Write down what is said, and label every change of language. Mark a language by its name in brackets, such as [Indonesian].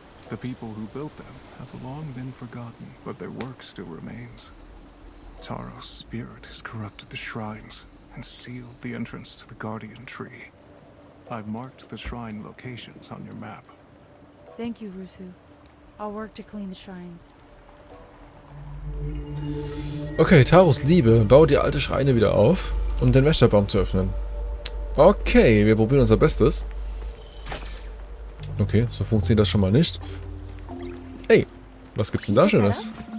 [English] The people who built them have long been forgotten, but their work still remains. Taro's spirit has corrupted the shrines and sealed the entrance to the Guardian Tree. I've marked the shrine locations on your map. Thank you, Rusu. I'll work to clean the shrines. [German] Okay, Taros Liebe, bau die alte Schreine wieder auf, um den Wächterbaum zu öffnen. Okay, wir probieren unser Bestes. Okay, so funktioniert das schon mal nicht. Hey, was gibt's denn da Schönes?